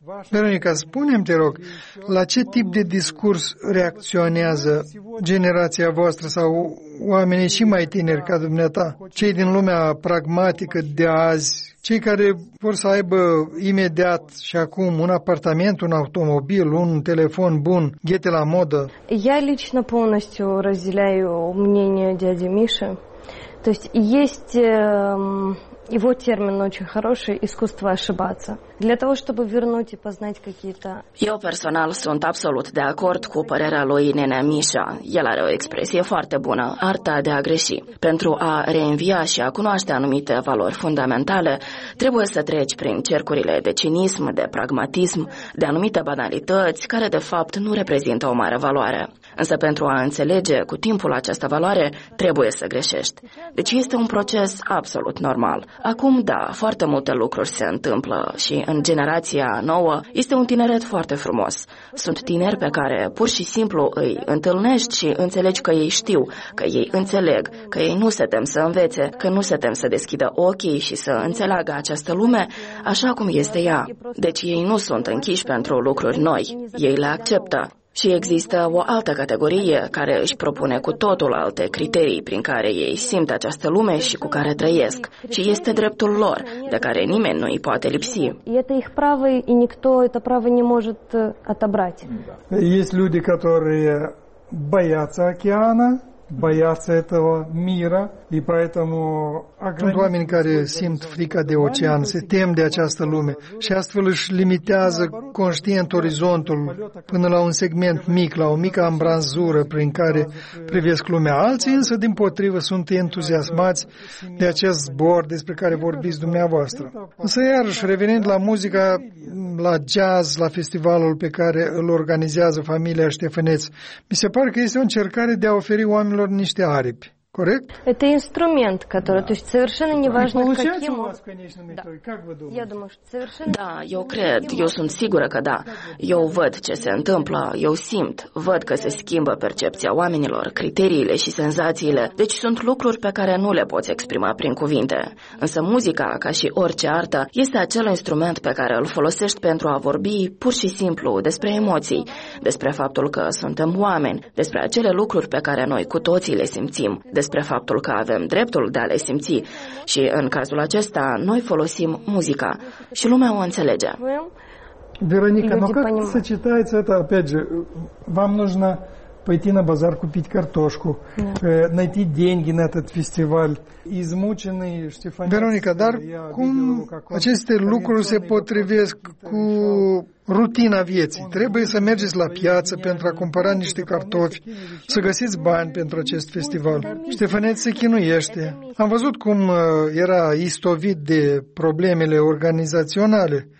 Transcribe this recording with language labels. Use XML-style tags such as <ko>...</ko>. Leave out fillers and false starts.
<ro>Veronica, spune-mi, te rog, la ce tip de discurs reacționează generația voastră sau oamenii și mai tineri ca dumneata, cei din lumea pragmatică de azi, cei care vor să aibă imediat și acum un apartament, un automobil, un telefon bun, ghete la modă?</ro> <ru>Я лично полностью разделяю мнение дяди Миши. То есть есть его термин очень хороший — искусство ошибаться. Для того, чтобы вернуть и познать какие-то...</ru> <ro>Eu personal sunt absolut de acord cu părerea lui nenea Mișa. El are o expresie foarte bună, arta de a greși. Pentru a reînvia și a cunoaște anumite valori fundamentale, trebuie să treci prin cercurile de cinism, de pragmatism, de anumite banalități, care de fapt nu reprezintă o mare valoare. Însă pentru a înțelege cu timpul această valoare, trebuie să greșești. Deci este un proces absolut normal. Acum, da, foarte multe lucruri se întâmplă și în generația nouă este un tineret foarte frumos. Sunt tineri pe care pur și simplu îi întâlnești și înțelegi că ei știu, că ei înțeleg, că ei nu se tem să învețe, că nu se tem să deschidă ochii și să înțeleagă această lume așa cum este ea. Deci ei nu sunt închiși pentru lucruri noi, ei le acceptă. Și există o altă categorie care își propune cu totul alte criterii prin care ei simt această lume și cu care trăiesc. Și este dreptul lor, de care nimeni nu îi poate lipsi. Este</ro> <ru>их право, и никто это право не может отобрать. Есть люди, которые боятся океана, боятся этого мира, и поэтому</ru> <ro>oameni care simt frica de ocean, se tem de această lume și astfel își limitează conștient orizontul până la un segment mic, la o mică ambranzură prin care privesc lumea. Alții însă, dimpotrivă, sunt entuziasmați de acest zbor despre care vorbiți dumneavoastră. Însă, iarăși, revenind la muzica, la jazz, la festivalul pe care îl organizează familia Ștefăneț, mi se pare că este o încercare de a oferi oamenilor niște aripi.</ro> <en>Correct?</en> <ru>Это инструмент, который, да. То есть совершенно неважно каким. Получается у вас конечный метод. Да. Как вы думаете? Я думаю, что совершенно. Да,</ru> <ro>eu cred, eu sunt sigură că da. Eu văd ce se întâmplă, eu simt, văd că se schimbă percepția oamenilor, criteriile și senzațiile. Deci sunt lucruri pe care nu le poți exprima prin cuvinte. Însă muzica, ca și orice artă, este acel instrument pe care îl folosești pentru a vorbi pur și simplu despre emoții, despre faptul că suntem oameni, despre acele lucruri pe care noi cu toții le simțim. Despre faptul că avem dreptul de a le simți și în cazul acesta noi folosim muzica și lumea o înțelege.</ro> <ru>Veronica, но как сочетается это, опять же, вам нужно пойти на базар купить картошку, найти деньги на этот фестиваль, измученный Штефан.</ru> <ro>Вероника, dar cum aceste lucruri se potrivesc cu rutina vieții? Trebuie să mergeți la piață pentru a cumpăra niște cartofi, să găsiți bani pentru acest festival. Ștefăneț se chinuiește. Am văzut cum era istovit de problemele organizaționale.</ro>